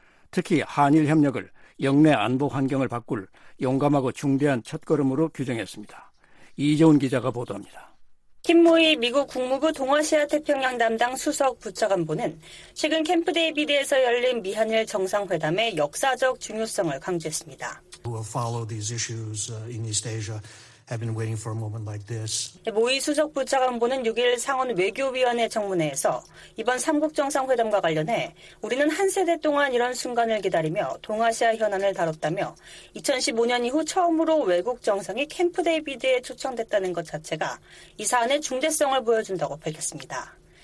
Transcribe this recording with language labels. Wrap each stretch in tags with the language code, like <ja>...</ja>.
<ko>특히 한일 협력을 영내 안보 환경을 바꿀 용감하고 중대한 첫걸음으로 규정했습니다. 이재훈 기자가 보도합니다. 킴무이 미국 국무부 동아시아 태평양 담당 수석 부차관보는 최근 캠프 데이비드에서 열린 미한일 정상회담의 역사적 중요성을 강조했습니다.</ko> <en>We'll follow these issues in East Asia have been waiting for a moment like this.</en> <ko>모이 수석 부차관보는 6일 상원 외교위원회 청문회에서 이번 3국 정상회담과 관련해 우리는 한 세대 동안 이런 순간을 기다리며 동아시아 현안을 다뤘다며 2015년 이후 처음으로 외국 정상이 캠프 데이비드에 초청됐다는 것 자체가 이 사안의 중대성을 보여준다고 밝혔습니다.</ko>